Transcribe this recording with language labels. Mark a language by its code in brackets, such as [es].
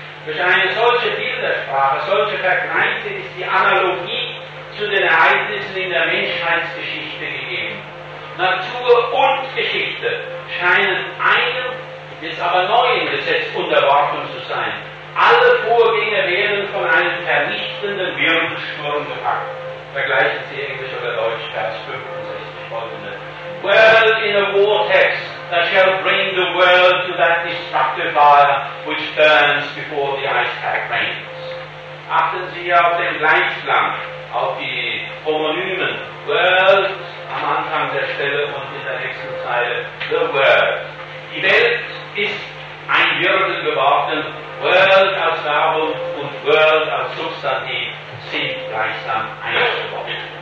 [de] Durch eine solche Bildersprache, solche Vergleiche ist die Analogie zu den Ereignissen in der Menschheitsgeschichte gegeben. Natur und Geschichte scheinen einem, jetzt aber neuen Gesetz unterworfen zu sein. Alle Vorgänge werden von einem vernichtenden Wirbelsturm gepackt. Vergleichen Sie Englisch oder Deutsch, Vers 65 folgende. [en] World in a vortex that shall bring the world to that destructive fire which burns before the ice pack rains. [de] Achten Sie auf den Gleichklang, auf die Homonymen. World am Anfang der Stelle und in der nächsten Zeile. The world. Die Welt ist ein Wirbel geworden. World als Verbum und World als Substantiv sind gleichsam eins geworden.